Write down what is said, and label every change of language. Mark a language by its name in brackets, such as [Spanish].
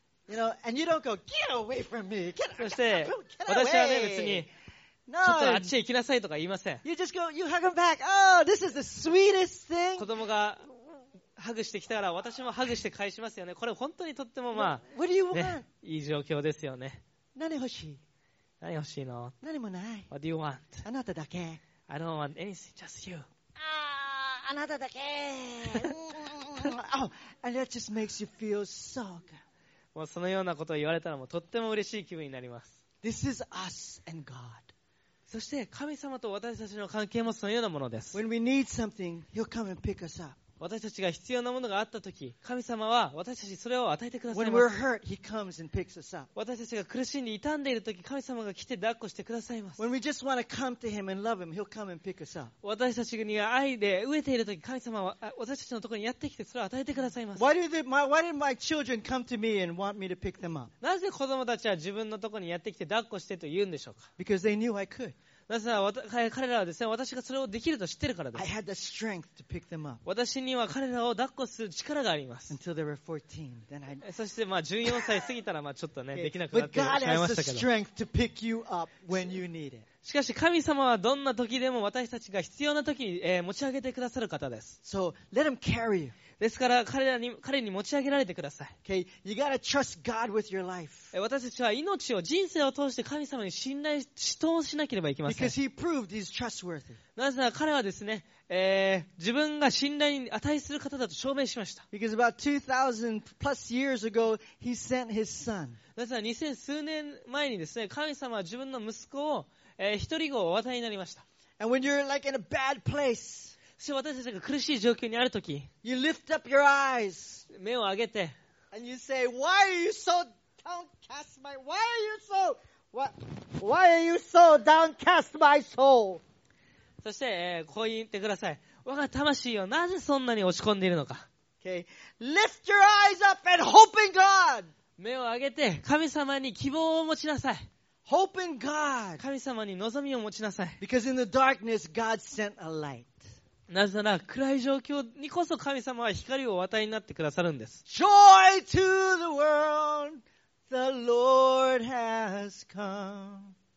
[English] Oh, you know, and you don't go, get away from me. Get away. [Japanese] そして私はね別に。 [English] No, [Japanese] ちょっとあっちへ行きなさいとか言いません。 [English] You just go, you hug him back. Oh, this is the sweetest thing. [Japanese] 子供がハグしてきたら私もハグして返しますよね。これ本当にとってもまあ、 [English] What do you want? [Japanese] ね、いい状況ですよね。何欲しい？何欲しいの？何もない。 [English] What do you want? [Japanese] あなただけ。 [English] I don't want anything, just you. [Japanese] あなただけ。 [English] Oh, and that just makes you feel so good. [Japanese] もうそのようなことを言われたらもうとっても嬉しい気分になります。 [English] This is us and God. [Japanese] そして神様と私たちの関係もそのようなものです。 [English] When we need something, he'll come and pick us up. [Japanese] 私たちが必要なものがあったとき、神様は私たちそれを与えてくださいます。 [English] When we're hurt, he comes and picks us up. [Japanese] 私たちが苦しんで傷んでいるとき、神様が来て抱っこしてくださいます。 [English] When we just want to come to him and love him, he'll come and pick us up. [Japanese] 私たちが愛で飢えているとき、神様は私たちのところにやってきてそれを与えてくださいます。 [English] Why did my children come to me and want me to pick them up? [Japanese] なぜ子供たちは自分のところにやってきて抱っこしてと言うんでしょうか [English] ？Because they knew I could. [Japanese] なぜなら彼らはですね、私がそれをできると知ってるからです。 [English] I had the strength to pick them up. [Japanese] 私には彼らを抱っこする力があります。 [English] Until they were 14, then I... [Japanese] そしてまあ14歳過ぎたらまあちょっとね、できなくなってしまいましたけど。 [English] But God has the strength to pick you up when you need it. [Japanese] しかし神様はどんな時でも私たちが必要な時に、持ち上げてくださる方です。 [English] So, let him carry you. [Japanese] ですから彼に持ち上げられてください。 [English] Okay. You gotta trust God with your life. [Japanese] 私たちは命を人生を通して神様に信頼し通しなければいけません。 [English] Because he proved he's trustworthy. [Japanese] なぜなら彼はですね、自分が信頼に値する方だと証明しました。 [English] Because about 2,000 plus years ago, he sent his son. [Japanese] なぜなら2000数年前にですね、神様は自分の息子を、一人子をお与えになりました。 [English] And when you're like in a bad place. [Japanese] 私たちが苦しい状況にあるとき、 [English] you lift up your eyes, [Japanese] 目を上げて、 [English] and you say, why are you so downcast, my, why are you so, why are you so downcast, my soul? [Japanese] そして、こう言ってください。我が魂をなぜそんなに落ち込んでいるのか。 [English] Okay. Lift your eyes up and hope in God. [Japanese] 目を上げて、神様に希望を持ちなさい。 [English] Hope in God. [Japanese] 神様に望みを持ちなさい。 [English] Because in the darkness, God sent a light. [Japanese] なぜなら暗い状況にこそ神様は光をお与えになってくださるんです。 [English] Joy to the world, the Lord has come.